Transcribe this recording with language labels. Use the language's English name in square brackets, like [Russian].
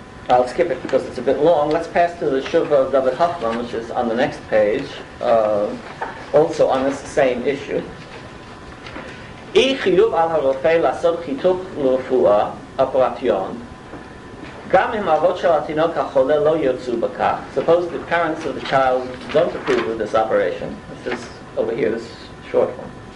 [English] I'll skip it because it's a bit long. Let's pass to the tshuva of David Hoffman, which is on the next page, also on this same issue. [Hebrew] אי חיוב על הרופא לעשות חיתוך לרפואה אופרטיון. גם אם אבות של התינוק החולה לא יוצאו בכך. [English] Suppose the parents of the child don't approve of this operation. This is over here, this short one.